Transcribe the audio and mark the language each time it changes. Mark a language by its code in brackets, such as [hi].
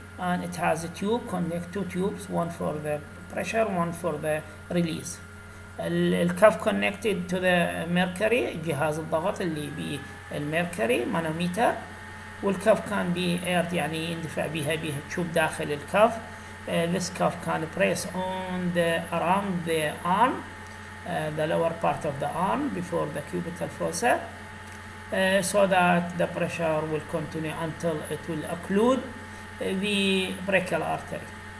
[en] And it has a tube, connect two tubes, one for the pressure, one for the release. [ar] الكاف [en] connected to the mercury, [ar] جهاز الضغط اللي بيه المركري مانوميتر, والكاف كان بيه ايرت, يعني يندفع بيها بيه تشوب داخل الكاف. [en] This cuff can press on the around the arm, the lower part of the arm before the cubital fossa, so that the pressure will continue until it will occlude the brachial artery.